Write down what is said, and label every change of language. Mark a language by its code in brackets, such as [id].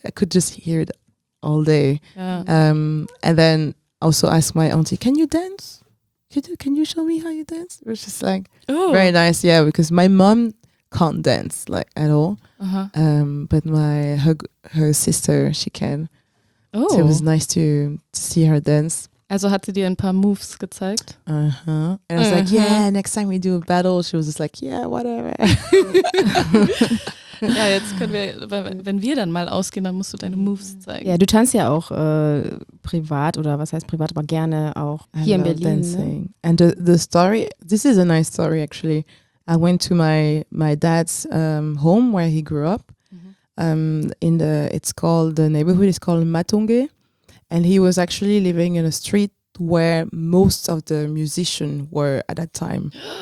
[en] I could just hear it all day. Yeah. And then also asked my auntie, can you dance? Can you show me how you dance? It was just like, ooh, very nice. Yeah, because my mom can't dance like at all. Uh-huh. But her sister, she can. Oh. So it was nice to see her dance. [de] Also hat sie dir ein paar Moves gezeigt? Uh-huh. [en] And I was like, yeah, next time we do a battle, she was just like, yeah, whatever. [de] Ja, jetzt können wir, wenn wir dann mal ausgehen, dann musst du deine Moves zeigen. Ja, du tanzt ja auch privat oder was heißt privat, aber gerne auch hier in Berlin. [en] Dancing. Ne? And the story, this is a nice story actually. I went to my dad's home where he grew up. Mm-hmm. The neighborhood is called Matonge, and he was actually living in a street where most of the musicians were at that time.